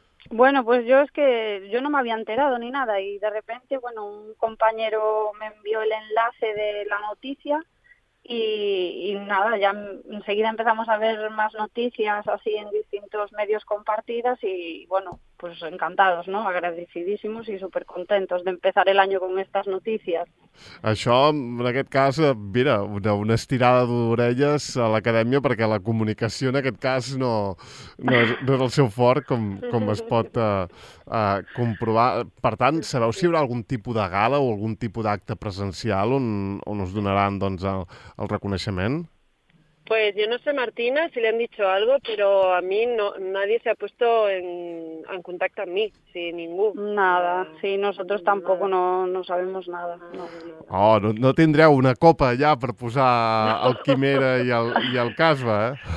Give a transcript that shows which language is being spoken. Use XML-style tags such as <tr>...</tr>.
<es>Bueno, pues yo es que yo no me había enterado ni nada y de repente, bueno, un compañero me envió el enlace de la noticia... Y nada, ya enseguida empezamos a ver más noticias así en distintos medios compartidas y bueno, pues encantados, ¿no? Agradecidísimos y súper contentos de empezar el año con estas noticias.</es> <ca>Això, en aquest cas, mira, una estirada d'orelles a l'acadèmia perquè la comunicació en aquest cas no és el seu fort, com es pot comprovar. Per tant, sabeu si hi haurà algun tipus de gala o algun tipus d'acte presencial on us donaran doncs, el reconeixement?</ca> <es>Pues yo no sé, Martina, si le han dicho algo, pero a mí no, nadie se ha puesto en contacto a mí, sí, ningú. Nada, sí, nosotros tampoco no sabemos nada. No.</es> <ca>Oh, no tindreu una copa ja per posar el Quimera i el Casbah, eh?</ca>